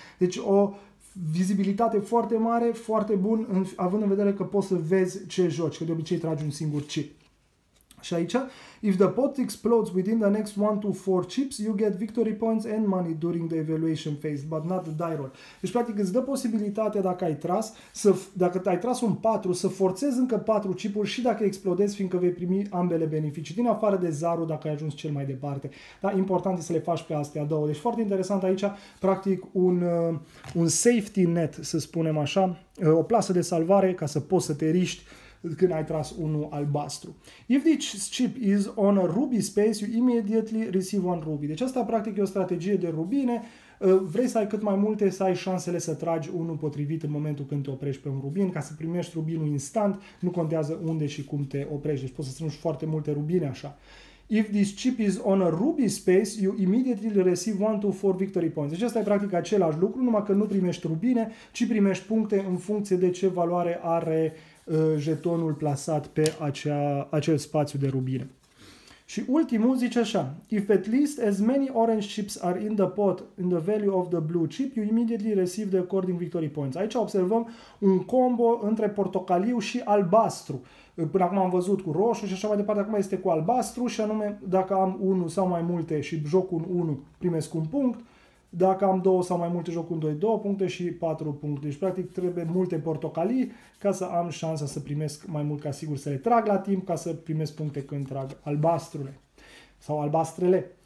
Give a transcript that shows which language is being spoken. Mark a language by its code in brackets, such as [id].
[ro] Deci o vizibilitate foarte mare, foarte bun, având în vedere că poți să vezi ce joci, că de obicei tragi un singur chip. Și aici, [en] if the pot explodes within the next 1-4 chips, you get victory points and money during the evaluation phase, but not the die roll. [ro] Deci, practic, îți dă posibilitatea, dacă ai tras, dacă ai tras un 4, să forțezi încă 4 chipuri și dacă explodezi, fiindcă vei primi ambele beneficii, din afară de zarul, dacă ai ajuns cel mai departe. Dar important e să le faci pe astea două. Deci, foarte interesant aici, practic, un safety net, să spunem așa, o plasă de salvare ca să poți să te riști când ai tras unul albastru. [en] If this chip is on a ruby space, you immediately receive one ruby. [ro] Deci asta practic e o strategie de rubine. Vrei să ai cât mai multe, să ai șansele să tragi unul potrivit în momentul când te oprești pe un rubin, ca să primești rubinul instant, nu contează unde și cum te oprești. Deci poți să strângi foarte multe rubine așa. [en] If this chip is on a ruby space, you immediately receive 1-4 victory points. [ro] Deci asta e practic același lucru, numai că nu primești rubine, ci primești puncte în funcție de ce valoare are jetonul plasat pe acel spațiu de rubine. Și ultimul zice așa, [en] if at least as many orange chips are in the pot in the value of the blue chip, you immediately receive the according victory points. [ro] Aici observăm un combo între portocaliu și albastru. Până acum am văzut cu roșu și așa mai departe, acum este cu albastru și anume dacă am unul sau mai multe și joc un 1, primesc un punct. Dacă am două sau mai multe, joc un 2, 2 puncte și 4 puncte. Deci, practic, trebuie multe portocalii ca să am șansa să primesc mai mult, ca sigur să le trag la timp, ca să primesc puncte când trag albastrule sau albastrele.